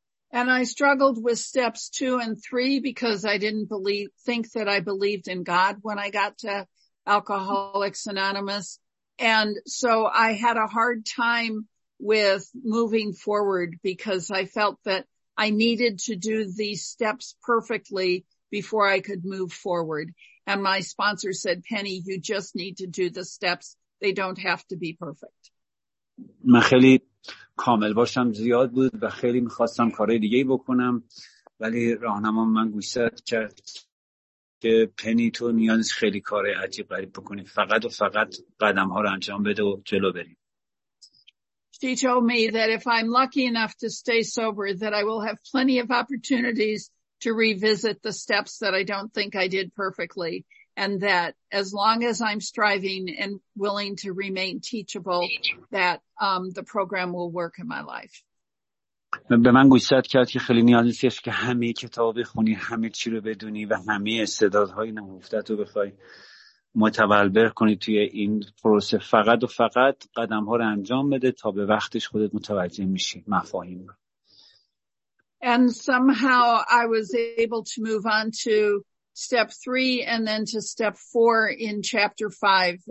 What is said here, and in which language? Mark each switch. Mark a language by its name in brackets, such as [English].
[English] And I struggled with steps two and three because I didn't think that I believed in God when I got to Alcoholics Anonymous. And so I had a hard time with moving forward because I felt that I needed to do these steps perfectly before I could move forward. And my sponsor said, Penny, you just need to do the steps. They don't have to be perfect. [Persian] مخلی کامل باشم زیاد بود و خیلی میخواستم کارهای دیگه بکنم، ولی راهنما من گوشزد کرد که پنی تو نیاز خیلی کارهای عجیب غریب بکنی، فقط و فقط قدم ها رو انجام بده و جلو بریم. [English] She told me that if I'm lucky enough to stay sober that I will have plenty of opportunities to revisit the steps that I don't think I did perfectly, and that as long as I'm striving and willing to remain teachable, that the program will work in my life. [Persian] به من گوشزد کرد که خیلی نیاز نیستش که همه کتاب بخونی، همه چی رو بدونی و همه استعدادهای نهفته تو بخوای متبلور کنی توی این پروسه، فقط و فقط قدم ها رو انجام بده تا به وقتش خودت متوجه میشی مفاهیم رو. [English] And somehow I was able to move on to step three and then to step four in chapter five.